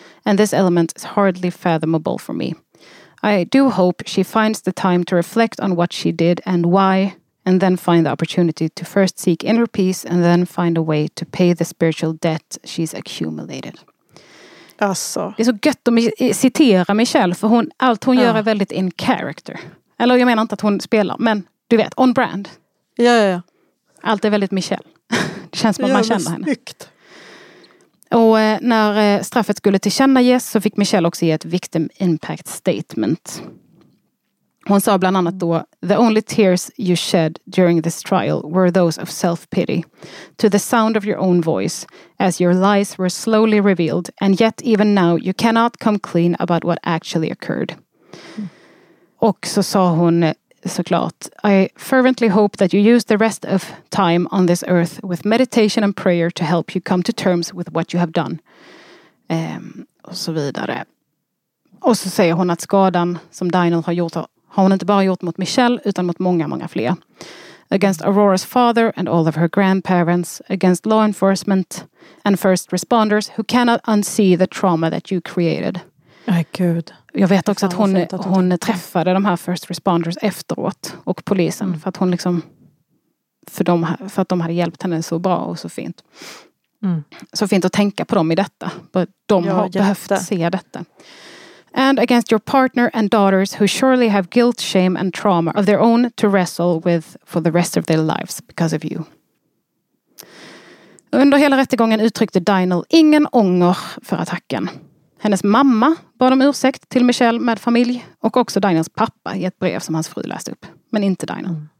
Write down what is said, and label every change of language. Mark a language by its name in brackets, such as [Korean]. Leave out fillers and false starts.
[English] And this element is hardly fathomable for me. I do hope she finds the time to reflect on what she did and why. And then find the opportunity to first seek inner peace and then find a way to pay the spiritual debt she's accumulated. [Swedish] Alltså. Det är så gött att citera Michelle, för hon, allt hon gör är väldigt in character. Eller jag menar inte att hon spelar, men du vet, [English] on brand. [Swedish] Ja, ja, ja. Allt är väldigt Michelle. Det känns som att man känner henne. Snyggt. Och när straffet skulle tillkännages så fick Michelle också ge ett [English] victim impact statement. [Swedish] Hon sa bland annat då, [English] the only tears you shed during this trial were those of self-pity, to the sound of your own voice, as your lies were slowly revealed, and yet even now you cannot come clean about what actually occurred. Mm. [Swedish] Och så sa hon såklart, [English] I fervently hope that you use the rest of time on this earth with meditation and prayer to help you come to terms with what you have done. [Swedish] Och så vidare. Och så säger hon att skadan som Dinald har gjort har hon inte bara gjort mot Michelle utan mot många, många fler. [English] against Aurora's father and all of her grandparents, against law enforcement and first responders who cannot unsee the trauma that you created. [Swedish] Ay, gud. Jag vet också att hon träffade de här [English] first responders [Swedish] efteråt och polisen för att hon liksom för att de hade hjälpt henne så bra och så fint. Mm. Så fint att tänka på dem i detta. De har behövt se detta. [English] And against your partner and daughters who surely have guilt, shame and trauma of their own to wrestle with for the rest of their lives because of you. [Swedish] Under hela rättegången uttryckte Dinell ingen ånger för attacken. Hennes mamma bad om ursäkt till Michelle med familj och också Dinells pappa i ett brev som hans fru läste upp. Men inte Dinell.